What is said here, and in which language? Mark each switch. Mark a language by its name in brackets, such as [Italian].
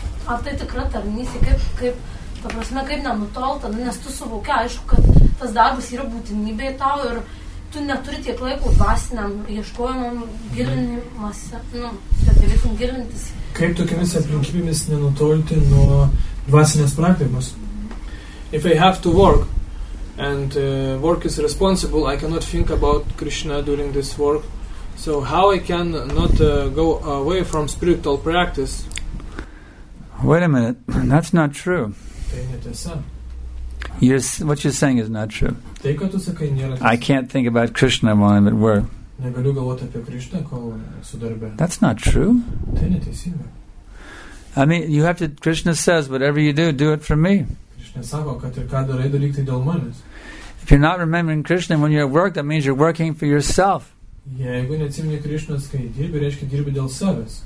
[Lithuanian] Ar tai tikra tarnysi, kaip ta prasme, kaip nenutolta, nes tu suvokia, aišku, kad tas darbas yra būtinybė tau ir tu neturi tiek laiko dvasiniam ieškojimam gilinimuose, kad galėtum gilintis. Kaip tokiamis aplinkybėmis nenutolti nuo dvasinės praktikos? [English] If I have to work, and work is responsible, I cannot think about Krishna during this work. So how I can not go away from spiritual practice? Wait a minute, that's not true. [Lithuanian] Tai netiesa. [English] What you're saying is not true. [Lithuanian] Tai, ką tu sakai, nėra [English] tiesa. I can't think about Krishna while I'm at work. [Lithuanian] Negaliu galvoti apie Krishna, kol esu darbe. [English] That's not true. [Lithuanian] Tai neteisinga. [English] I mean, you have to, Krishna says, whatever you do, do it for me. [Lithuanian] Krishna sako, kad ir ką darai, daryk tai dėl manęs. [English] If you're not remembering Krishna when you're at work, that means you're working for yourself. [Lithuanian] Jeigu neatsimini Krišnos, kai dirbi, reiškia dirbi dėl savęs.